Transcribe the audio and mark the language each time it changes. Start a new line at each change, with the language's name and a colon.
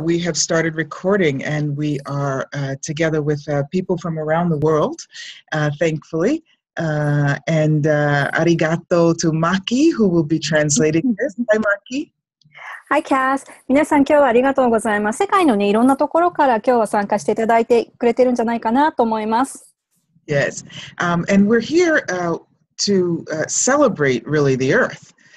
English: We have started recording, and we are together with people from around the world, thankfully. And arigato to Maki, who will be translating this. Hi, Maki. Hi, Kass.
Japanese: 皆さん、今日はありがとうございます。世界のね、いろんなところから今日は参加していただいてくれてるんじゃないかなと思います。
English: Yes. And we're here to celebrate really the earth.